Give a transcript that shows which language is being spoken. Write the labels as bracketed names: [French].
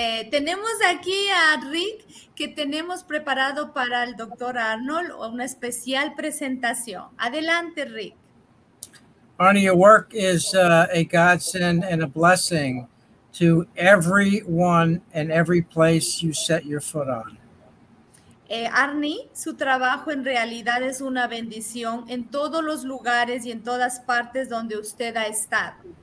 [Spanish] tenemos aquí a Rick, que tenemos preparado para el Dr. Arnold una especial presentación. Adelante, Rick. [English] Arnie, your work is a godsend and a blessing to everyone and every place you set your foot on. [Spanish] Arnie, su trabajo en realidad es una bendición en todos los lugares y en todas partes donde usted ha estado.